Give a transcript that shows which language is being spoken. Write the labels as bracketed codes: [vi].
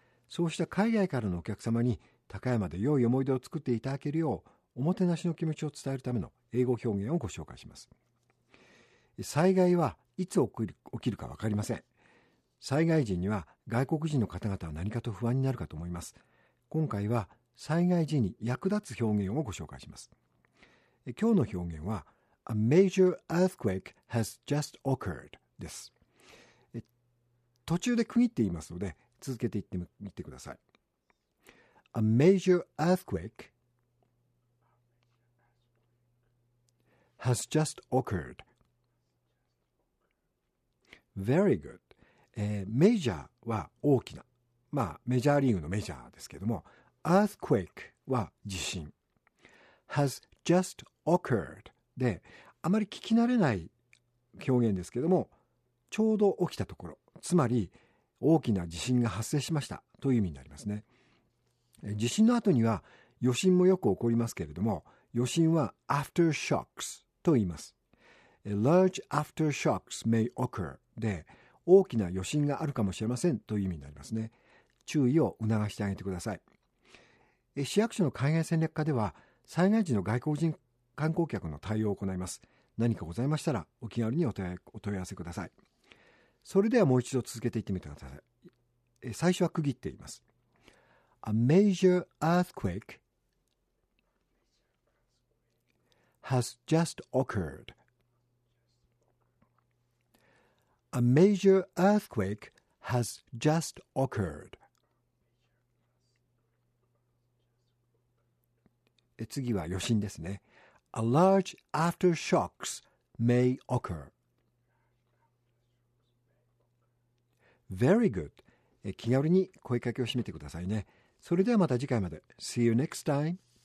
[ja] そうした海外からのお客様に高山で良い思い出を作っていただけるよう、おもてなしの気持ちを伝えるための英語表現をご紹介します。災害はいつ起きるかわかりません。災害時には外国人の方々は何かと不安になるかと思います。今回は災害時に役立つ表現をご紹介します。今日の表現は [en] A major earthquake has just occurred [ja] です。途中で区切って言いますので続けて言ってみてください。 [en] A major earthquake has just occurred. Very good. [ja] Major は大きな、まあメジャーリーグのメジャーですけども、Earthquake は地震。 [en] Has just occurred [ja] で、あまり聞き慣れない表現ですけども、ちょうど起きたところ、つまり大きな地震が発生しましたという意味になりますね。地震の後には余震もよく起こりますけれども、余震は aftershocks と言います。 [en] Large aftershocks may occur [ja] で、大きな余震があるかもしれませんという意味になりますね。注意を促してあげてください。市役所の海外戦略課では災害時の外国人観光客の対応を行います。何かございましたらお気軽にお問い合わせください。それではもう一度続けていってみてください。最初は区切っています。 [en] A major earthquake has just occurred. A major earthquake has just occurred. [ja] 次は余震ですね。 [en] A large aftershocks may occur. Very good. [ja] 気軽に声かけを締めてくださいね。それではまた次回まで。 [en] See you next time.